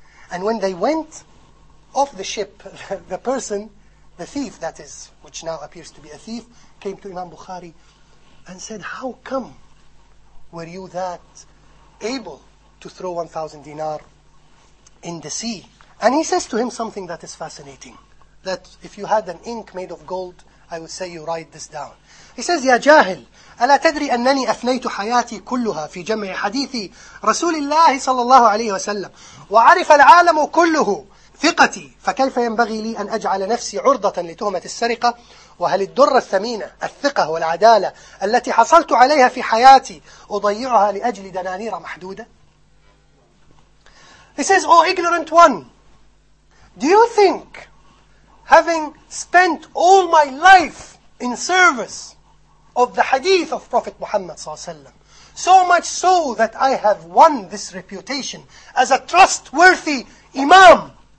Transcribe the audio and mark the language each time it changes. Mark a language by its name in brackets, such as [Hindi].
[English] And when they went off the ship, the person, the thief that is, which now appears to be a thief, came to Imam Bukhari and said, how come were you that able to throw 1,000 dinar in the sea? And he says to him something that is fascinating, that if you had an ink made of gold, I would say you write this down. He says, [Arabic] يا جاهل ألا تدري أنني أفنيت حياتي كلها في جمع حديث رسول الله صلى الله عليه وسلم وعرف العالم كله ثقتي فكيف ينبغي لي أن أجعل نفسي عرضة لتهمة السرقة وهل الدر الثمينة الثقة والعدالة التي حصلت عليها في حياتي أضيعها لأجل دنانير محدودة. [English] He says, oh ignorant one, do you think having spent all my life in service of the hadith of Prophet Muhammad sallallahu alaihi wasallam, so much so that I have won this reputation as a trustworthy imam